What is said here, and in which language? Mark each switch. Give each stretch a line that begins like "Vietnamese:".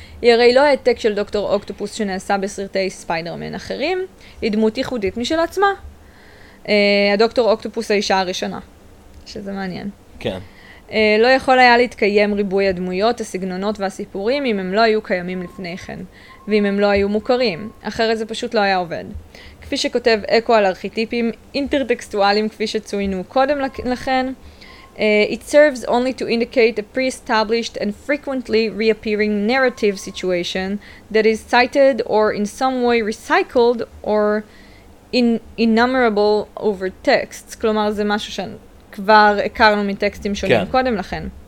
Hebrew: היא הרי לא העתק של דוקטור אוקטופוס שנעשה בסרטי ספיידרמן אחרים, היא דמות ייחודית משל עצמה. הדוקטור אוקטופוס האישה הראשונה, שזה מעניין. כן. לא יכול היה להתקיים ריבוי הדמויות, הסגנונות והסיפורים אם הם לא היו קיימים לפני כן, ואם הם לא היו מוכרים, אחרת זה פשוט לא היה עובד. כפי שכותב אקו על ארכיטיפים אינטרטקסטואליים כפי שצוינו קודם לכן,
English: it serves only to indicate a pre-established and frequently reappearing narrative situation that is cited or in some way recycled or innumerable over texts.
Hebrew: כלומר, זה משהו שכבר הכרנו מטקסטים שונים כן. קודם לכן.